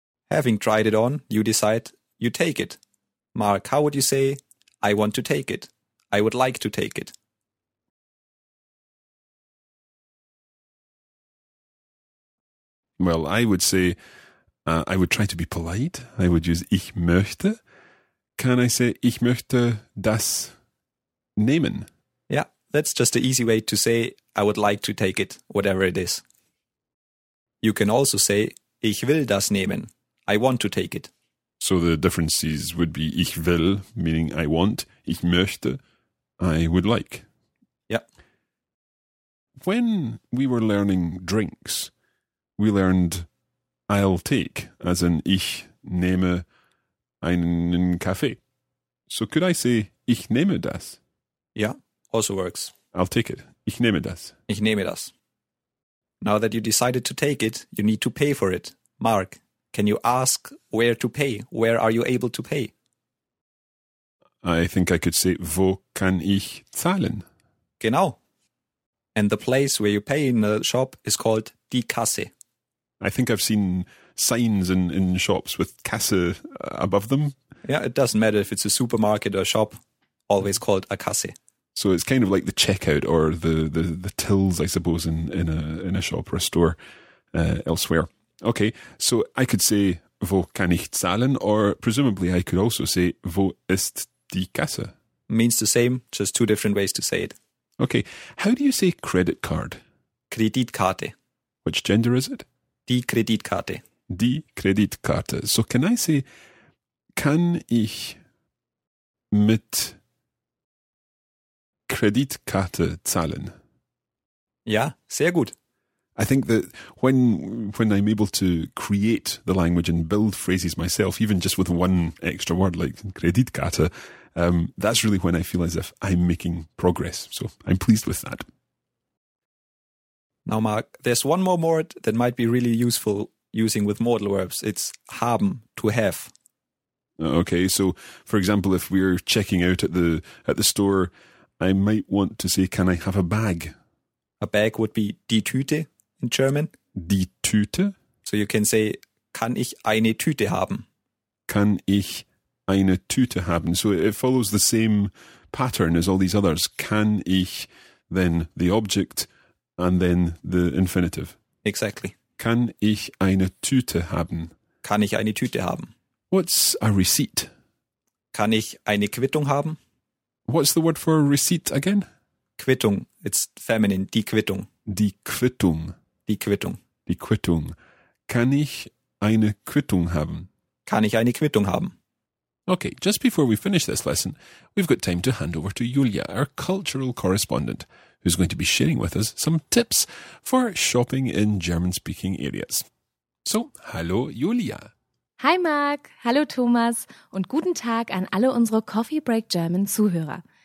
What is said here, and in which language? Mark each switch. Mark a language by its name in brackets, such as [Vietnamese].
[English] Having tried it on, you decide you take it. Mark, how would you say, I want to take it? I would like to take it. Well, I would say, I would try to be polite. I would use ich möchte. Can I say, [German] ich möchte das nehmen? [English] Yeah, that's just an easy way to say, I would like to take it, whatever it is. You can also say, [German] ich will das nehmen. [English] I want to take it. So the differences would be, [German] ich will, [English] meaning I want, [German] ich möchte, [English] I would like. Yeah. when we were learning drinks, we learned I'll take, as in [German] ich nehme einen Kaffee. [English] So could I say [German] ich nehme das? [English] Yeah, also works. I'll take it. [German] Ich nehme das. Ich nehme das. [English] Now that you decided to take it, you need to pay for it. Mark, can you ask where to pay? Where are you able to pay? I think I could say, [German] wo kann ich zahlen? Genau. [English] And the place where you pay in the shop is called die Kasse. I think I've seen signs in shops with Kasse above them. Yeah, it doesn't matter if it's a supermarket or a shop, always called a Kasse. So it's kind of like the checkout or the tills, I suppose, in a shop or a store elsewhere. Okay, so I could say, [German] wo kann ich zahlen? [English] Or presumably I could also say, [German] wo ist die Kasse? [English] Means the same, just two different ways to say it. Okay, how do you say credit card? [German] Kreditkarte. [English] Which gender is it? [German] Die Kreditkarte. Die Kreditkarte. [English] So can I say, [German] kann ich mit Kreditkarte zahlen? Ja, sehr gut. [English] I think that when I'm able to create the language and build phrases myself, even just with one extra word like Kreditkarte, that's really when I feel as if I'm making progress. So I'm pleased with that. Now, Mark, there's one more word that might be really useful using with modal verbs. It's haben, to have. Okay, so for example, if we're checking out at the store, I might want to say, can I have a bag? A bag would be die Tüte in German. [German] Die Tüte? [English] So you can say, [German] kann ich eine Tüte haben? Kann ich eine Tüte haben? [English] So it follows the same pattern as all these others. Kann ich, then the object, and then the infinitive. Exactly. [German] Kann ich eine Tüte haben? Kann ich eine Tüte haben? [English] What's a receipt? [German] Kann ich eine Quittung haben? [English] What's the word for receipt again? [German] Quittung. [English] It's feminine. [German] Die Quittung. Die Quittung. Die Quittung. Die Quittung. Kann ich eine Quittung haben? Kann ich eine Quittung haben? [English] Okay, just before we finish this lesson, we've got time to hand over to Julia, our cultural correspondent, who's going to be sharing with us some tips for shopping in German-speaking areas. So, hallo Julia. [German] Hi Mark, hallo Thomas und guten Tag an alle unsere Coffee Break German Zuhörer.